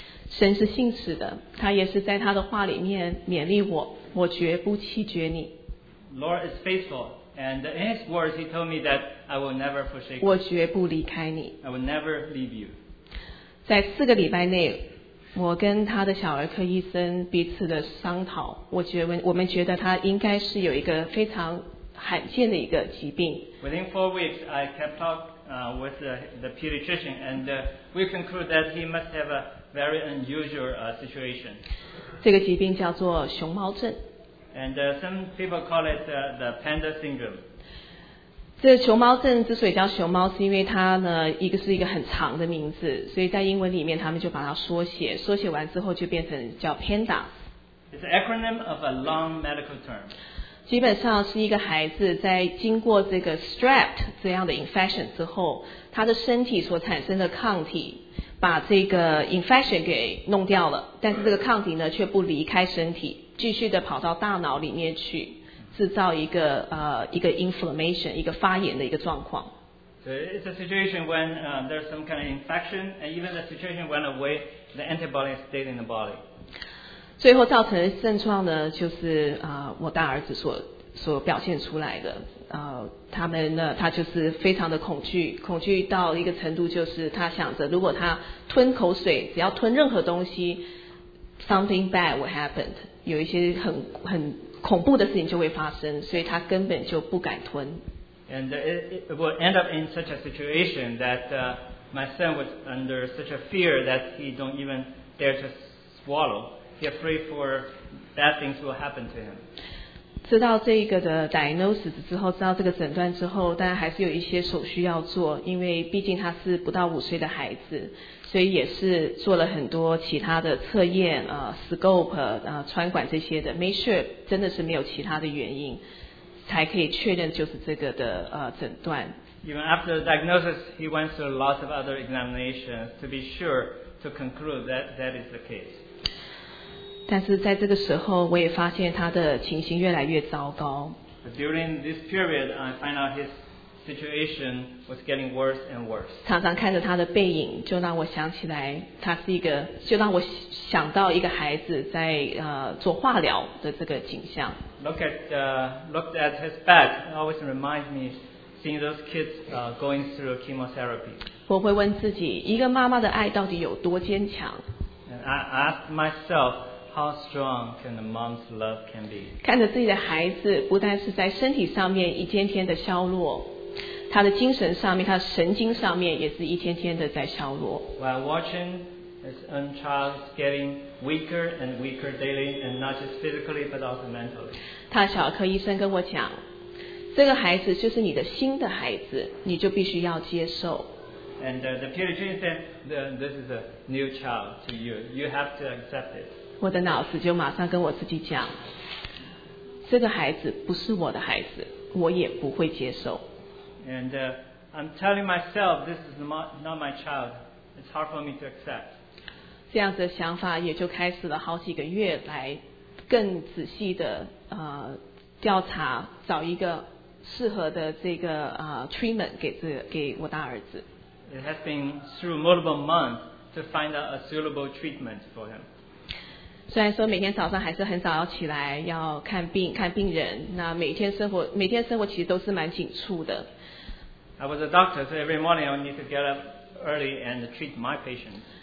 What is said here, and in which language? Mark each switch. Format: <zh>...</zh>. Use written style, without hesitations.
<zh>神是信实的，他也是在他的话里面勉励我，我绝不弃绝你。</zh> <en>Lord is faithful, and in his words he told me that I will never forsake you.</en> <zh>我绝不离开你。</zh> <en>I will never leave you.</en> <zh>在四个礼拜内，我跟他的小儿科医生彼此的商讨，我们觉得他应该是有一个非常罕见的一个疾病。</zh> <en>Within 4 weeks, I kept talking with the pediatrician, and we concluded that he must have a very unusual situation.</en> <zh>这个疾病叫做熊猫症。</zh> <en>And some people call it the panda syndrome.</en> <zh>这熊猫症之所以叫熊猫，是因为它呢，一个是一个很长的名字，所以在英文里面他们就把它缩写完之后就变成叫 panda.</zh> <en>It's an acronym of a long medical term.</en> <zh>基本上是一个孩子在经过这个 strep 这样的 infection 之后，他的身体所产生的抗体把这个 infection 给弄掉了，但是这个抗体呢却不离开身体，继续的跑到大脑里面去，制造一个 inflammation 一个发炎的一个状况。</zh> <en>So it's a situation when there's some kind of infection, and even the situation went away, the antibody stayed in the body.</en> <zh>最后造成的症状呢，就是我大儿子所表现出来的，他们呢，他就是非常的恐惧到一个程度，就是他想着如果他吞口水，只要吞任何东西 ，</zh> <en>something bad will happen，</en> <zh>有一些很恐怖的事情就会发生，所以他根本就不敢吞。</zh> <en>And it will end up in such a situation that my son was under such a fear that he don't even dare to swallow. He's afraid for bad things will happen to him.</en> <zh>知道这个的 diagnosis 之后，知道这个诊断之后，但还是有一些手续要做，因为毕竟他是不到5岁的孩子，所以也是做了很多其他的测验啊、scope 啊、穿管这些的 ，</zh> <en>make sure</en> <zh>真的是没有其他的原因，才可以确认就是这个的诊断。</zh> <en>Even after the diagnosis, he went through lots of other examinations to be sure to conclude that is the case.</en> <zh>但是在这个时候我也发现他的情形越来越糟糕。</zh> <en>During this period, I find out his situation was getting worse and worse.</en> <zh>常常看着他的背影，就让我想起来他是一个，就让我想到一个孩子在做化疗的这个景象。</zh> <en>Looked at his back, it always reminds me seeing those kids going through chemotherapy.</en> <zh>我会问自己，一个妈妈的爱到底有多坚强。</zh> <en>And I asked myself,How strong can a mom's love can be?</en> <zh>看着自己的孩子，不但是在身体上面一天天的消弱，他的精神上面，他的神经上面也是一天天的在消弱。</zh> <en>While watching his own child getting weaker and weaker daily, and not just physically but also mentally.</en> <zh>他小儿科医生跟我讲，这个孩子就是你的新的孩子，你就必须要接受。</zh> <en>And the pediatrician said, "This is a new child to you. You have to accept it."</en> <zh>我的脑子就马上跟我自己讲，这个孩子不是我的孩子，我也不会接受。</zh> <en>And I'm telling myself this is not my child. It's hard for me to accept.</en> <zh>这样子的想法也就开始了好几个月来更仔细的调查找一个适合的这个treatment 给我大儿子。</zh> <en>It has been through multiple months to find out a suitable treatment for him.</en> <zh>虽然说每天早上还是很早要起来要看病人，那每天生活其实都是蛮紧促的。</zh> <en>I was a doctor, so every morning I would need to get up early and treat my patients.</en>